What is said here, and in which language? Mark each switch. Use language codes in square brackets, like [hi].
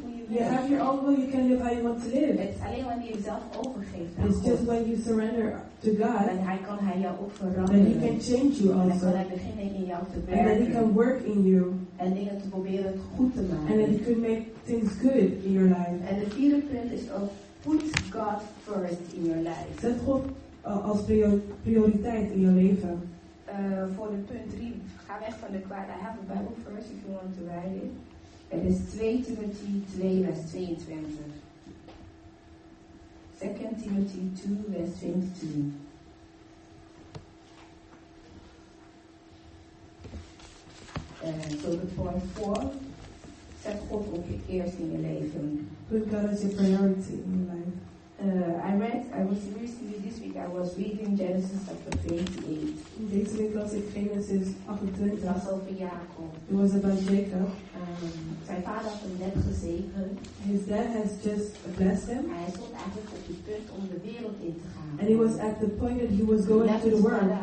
[en] You have your own will, you can live how you want to live. It's just when you surrender to God, then He can change you also. And then He can work in you. [nl] En dingen te proberen goed te maken. [en] And then He can make things good in your life. And the [nl] vierde punt is ook [en] put God first in your life. [nl] Zet God als prioriteit in je leven. Voor de punt 3, ga weg van de kwaad. [en] I have a Bible verse if you want to read it. [nl] Het is 2 Timothy 2, vers 22. 2 Timothy 2, vers 22. [en] So the point 4. [nl] Zet God op je eerst in je leven. [en] Put God as your priority in your life. I was recently, this week I was reading Genesis chapter 28. [nl] Deze week was ik Genesis 28. Het was over Jacob. [en] It was about Jacob. [nl] Zijn vader had hem net gezegend. [en] His dad has just blessed him. [nl] Hij stond eigenlijk op het punt om de wereld in te gaan. [en] And he was at the point that he was going to the world.